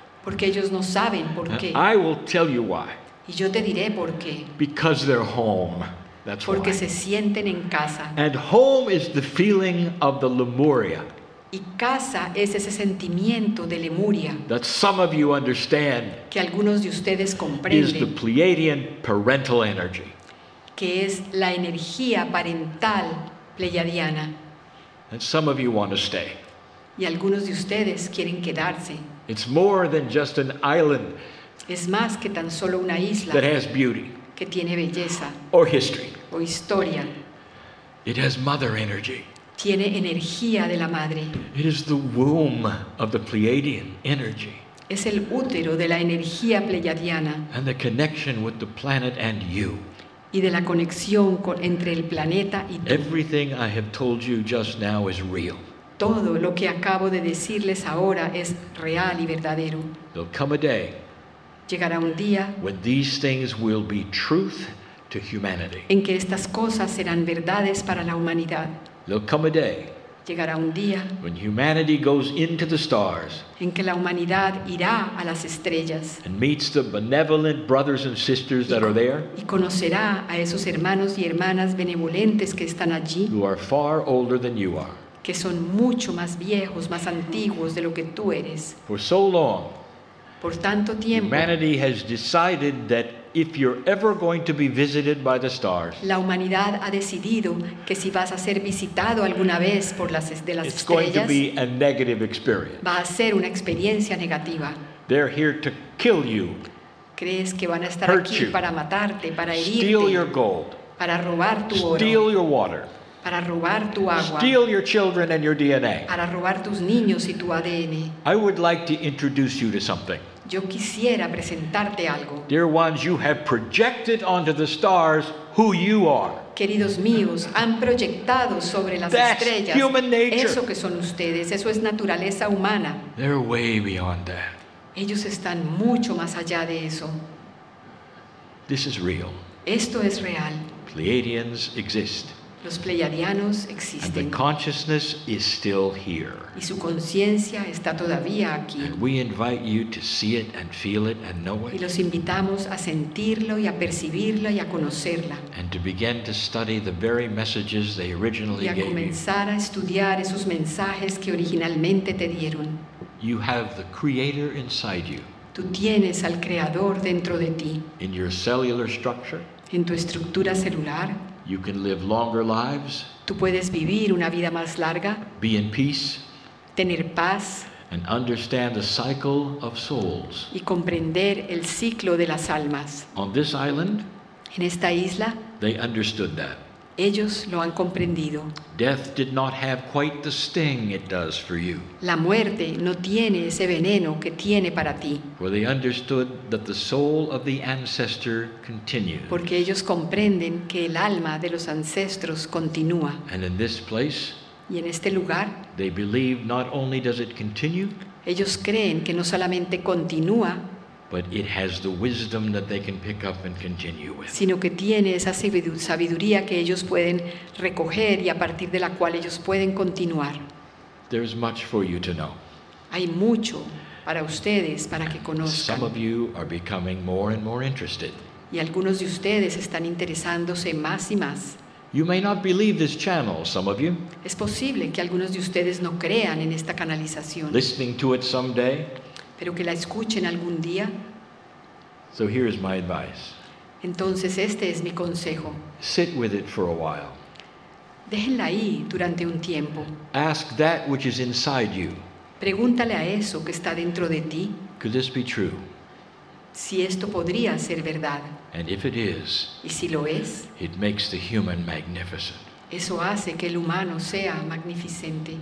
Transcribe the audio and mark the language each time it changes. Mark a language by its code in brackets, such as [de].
[es] Porque ellos no saben por qué. [en] I will tell you why. [es] Y yo te diré por qué. [en] Because they're home. That's why. [es] Porque se sienten en casa. [en] And home is the feeling of the Lemuria. [es] Y casa es ese sentimiento de Lemuria [en] that some of you understand [es] que algunos de ustedes comprenden [en] is the Pleiadian parental energy. [es] Que es la energía parental pleiadiana. [en] And some of you want to stay. [es] Y algunos de ustedes quieren quedarse. [en] It's more than just an island. [es] Es más que tan solo una isla [en] that has beauty [es] que tiene belleza [en] or history. [es] O historia. [en] It has mother energy. [es] Tiene energía de la madre. [en] It is the womb of the Pleiadian energy. [es] Es el útero de la energía pleiadiana. [en] And the connection with the planet and you. [es] Y de la conexión entre el planeta y tú. [en] Everything I have told you just now is real. [es] Todo lo que acabo de decirles ahora es real y verdadero. [en] There'll come a day. [es] Llegará un día. [en] When these things will be truth to humanity. [es] En que estas cosas serán verdades para la humanidad. [en] There'll come a day. [es] Llegará un día. [en] When humanity goes into the stars. [es] En que la humanidad irá a las estrellas. [en] And meets the benevolent brothers and sisters that are there. [es] Y conocerá a esos hermanos y hermanas benevolentes que están allí. [en] Who are far older than you are. [es] Que son mucho más viejos, más antiguos de lo que tú eres. [en] For so long. [es] Por tanto tiempo. [en] Humanity has decided that if you're ever going to be visited by the stars, [es] la humanidad ha decidido que si vas a ser visitado alguna vez por las de las estrellas, [en] it's going to be a negative experience. [es] Va a ser una experiencia negativa. [en] They're here to kill you. [es] ¿Crees que van a estar [en] hurt [es] aquí [en] you, [es] para matarte, para herirte, [en] steal your gold, [es] para robar tu [en] steal [es] oro, [en] steal your water, [es] para robar tu agua, [en] steal your children and your DNA, [es] para robar tus niños y tu ADN? [en] I would like to introduce you to something. [es] Yo quisiera presentarte algo. [en] Dear ones, you have projected onto the stars who you are. [es] Queridos míos, han proyectado sobre las [en] That's [es] estrellas [en] human nature. [es] Eso que son ustedes, eso es naturaleza humana. [en] They're way beyond that. [es] Ellos están mucho más allá de eso. [en] This is real. [es] Esto es real. [en] Pleiadians exist. [es] Los pleiadianos existen. [en] And the consciousness is still here. [es] Y su conciencia está todavía aquí. [en] And we invite you to see it and feel it and know it. [es] Y los invitamos a sentirlo y a percibirlo y a conocerla. [en] And to begin to study the very messages they originally gave you. [es] Y a comenzar a estudiar esos mensajes que originalmente te dieron. [en] You have the creator inside you. [es] Tú tienes al creador dentro de ti. [en] In your cellular structure. [es] En tu estructura celular. [en] You can live longer lives. [es] Tú puedes vivir una vida más larga. [en] Be in peace. [es] Tener paz. [en] and understand the cycle of souls. [es] Y comprender el ciclo de las almas. [en] On this island, [es] en esta isla, [en] they understood that. [es] Ellos lo han comprendido. [en] Death did not have quite the sting it does for you. [es] La muerte no tiene ese veneno que tiene para ti. [en] For they understood that the soul of the ancestor continues. [es] Porque ellos comprenden que el alma de los ancestros continúa. [en] And in this place, [es] y en este lugar, [en] they believe not only does it continue, [es] ellos creen que no solamente continúa, [en] but it has the wisdom that they can pick up and continue with. [es] Sino que tiene esa sabiduría que ellos pueden recoger y a partir de la cual ellos pueden continuar. [en] There's much for you to know. [es] Hay mucho para ustedes para que conozcan. [en] Some of you are becoming more and more interested. [es] Y algunos de ustedes están interesándose más y más. [en] You may not believe this channel, some of you. [es] Es posible que algunos de ustedes no crean en esta canalización. [en] Listening to it someday. [es] Pero que la escuchen algún día. [en] So here is my advice. [es] Entonces este es mi consejo. [en] Sit with it for a while. [es] Déjenla ahí durante un tiempo. [en] Ask that which is inside you. [es] Pregúntale a eso que está dentro de ti. [en] Could this be true? [es] Si esto podría ser verdad. [en] And if it is, [es] y si lo es, [en] it makes the human magnificent. [es] Eso hace que el humano sea magnificente.